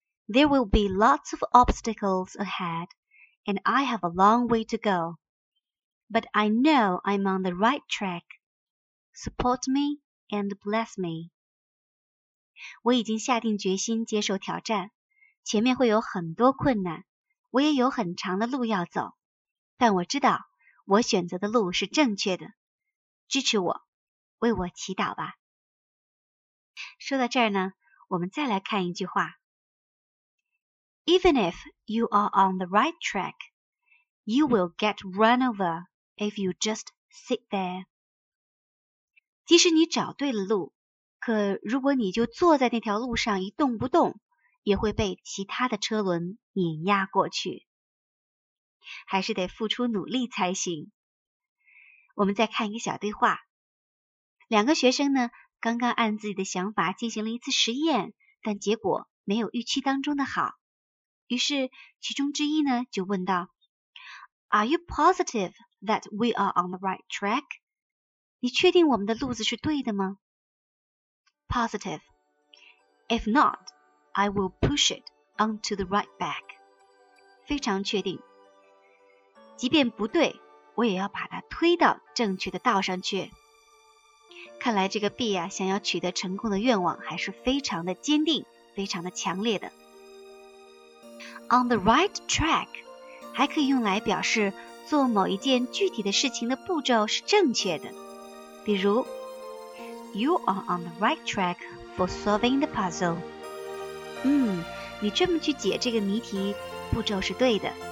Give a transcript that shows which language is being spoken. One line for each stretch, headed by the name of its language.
English: There will be lots of obstacles ahead, and I have a long way to go. But I know I'm on the right track. Support me and bless me.
Chinese: 我已经下定决心接受挑战，前面会有很多困难，我也有很长的路要走。但我知道我选择的路是正确的，支持我，为我祈祷吧。说到这儿呢，我们再来看一句话。
English: Even if you are on the right track, you will get run over if you just sit there.
Chinese: 即使你找对了路，可如果你就坐在那条路上一动不动，也会被其他的车轮碾压过去。还是得付出努力才行。我们再看一个小对话，两个学生呢刚刚按自己的想法进行了一次实验，但结果没有预期当中的好。于是其中之一呢就问道，
English: Are you positive that we are on the right track?
Chinese: 你确定我们的路子是对的吗？
English: Positive. If not, I will push it onto the right back.
Chinese: 非常确定，即便不对，我也要把它推到正确的道上去。看来这个 B 啊，想要取得成功的愿望还是非常的坚定，非常的强烈的。
English: On the right track
Chinese: 还可以用来表示做某一件具体的事情的步骤是正确的。比如
English: You are on the right track for solving the puzzle.
Chinese: 你这么去解这个谜题，步骤是对的。